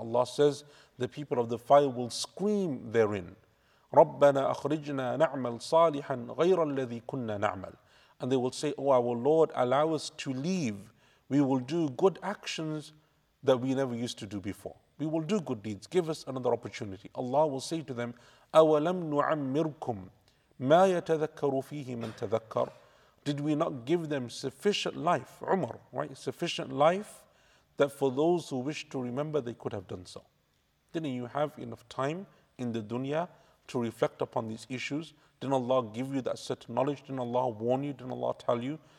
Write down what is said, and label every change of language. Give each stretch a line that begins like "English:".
English: Allah says, the people of the fire will scream therein.
Arabic: رَبَّنَا أَخْرِجْنَا نَعْمَلْ صَالِحًا غَيْرَ الَّذِي كُنَّا نَعْمَلْ.
English: And they will say, oh, our Lord, allow us to leave. We will do good actions that we never used to do before. We will do good deeds. Give us another opportunity.
Arabic: Allah will say to them, أَوَلَمْ نُعَمِّرْكُمْ مَا يَتَذَكَّرُ فِيهِ مَنْ تَذَكَّرُ.
English: Did we not give them sufficient life? Umar, right? Sufficient life that for those who wish to remember, they could have done so. Didn't you have enough time in the dunya to reflect upon these issues? Didn't Allah give you that certain knowledge? Didn't Allah warn you? Didn't Allah tell you?